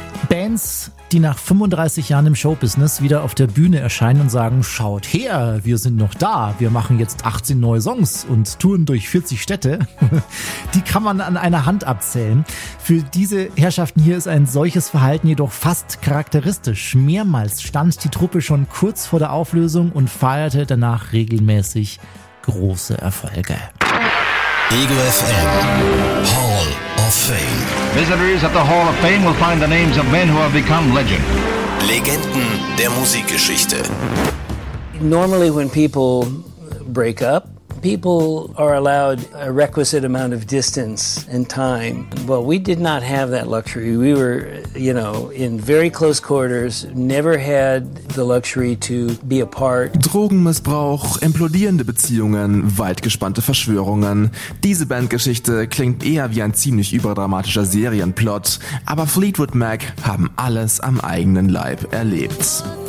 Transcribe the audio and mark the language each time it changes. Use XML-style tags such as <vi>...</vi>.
<de>Bands, die nach 35 Jahren im Showbusiness wieder auf der Bühne erscheinen und sagen, schaut her, wir sind noch da, wir machen jetzt 18 neue Songs und touren durch 40 Städte, die kann man an einer Hand abzählen. Für diese Herrschaften hier ist ein solches Verhalten jedoch fast charakteristisch. Mehrmals stand die Truppe schon kurz vor der Auflösung und feierte danach regelmäßig große Erfolge. Ego FM, Hall of Fame.</de> <en>Visitors at the Hall of Fame will find the names of men who have become legend.</en> <de>Legenden der Musikgeschichte.</de> <en>Normally when people break up, people are allowed a requisite amount of distance and time. Well, we did not have that luxury. We were, you know, in very close quarters, never had the luxury to be apart.</en> <de>Drogenmissbrauch, implodierende Beziehungen, weitgespannte Verschwörungen. Diese Bandgeschichte klingt eher wie ein ziemlich überdramatischer Serienplot, aber Fleetwood Mac haben alles am eigenen Leib erlebt.</de>